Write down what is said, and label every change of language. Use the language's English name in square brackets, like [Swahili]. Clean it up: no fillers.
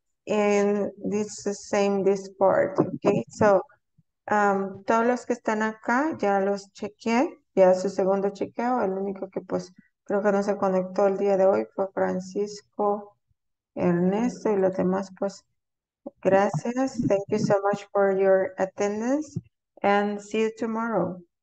[English] and this is the same, this part, okay? [Spanish] So, todos los que están acá, ya los chequeé, ya su segundo chequeo, el único que pues creo que no se conectó el día de hoy fue Francisco, Ernesto y los demás, pues, gracias. [English] Thank you so much for your attendance and see you tomorrow.